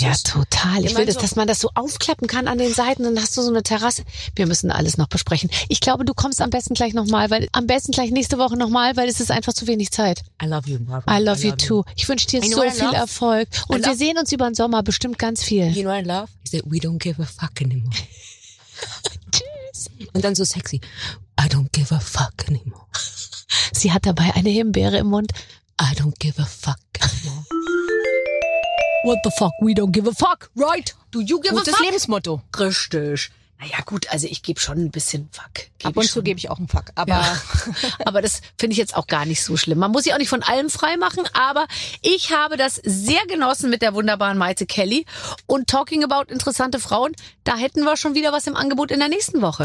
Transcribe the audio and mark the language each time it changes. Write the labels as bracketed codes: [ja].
[de] Ja, total. Ich will, dass man das so aufklappen kann an den Seiten, dann hast du so eine Terrasse. Wir müssen alles noch besprechen. Ich glaube, du kommst am besten gleich nochmal, weil am besten gleich nächste Woche nochmal, weil es ist einfach zu wenig Zeit. [en] I love you, Barbara. I love you too. [de] Ich wünsche dir so viel Erfolg. Und wir sehen uns über den Sommer bestimmt ganz viel. [en] You know what I love? Is that we don't give a fuck anymore. [de] Tschüss. Und dann so sexy. [en] I don't give a fuck anymore. [de] Sie hat dabei eine Himbeere im Mund. [en] I don't give a fuck anymore. What the fuck? We don't give a fuck, right? Do you give a fuck? [de] Gutes Lebensmotto. Richtig. Naja gut, also ich gebe schon ein bisschen Fuck. Ab und zu gebe ich auch einen Fuck. Aber aber das finde ich jetzt auch gar nicht so schlimm. Man muss sich auch nicht von allem frei machen. Aber ich habe das sehr genossen mit der wunderbaren Maite Kelly. Und [en] talking about [de] interessante Frauen, da hätten wir schon wieder was im Angebot in der nächsten Woche.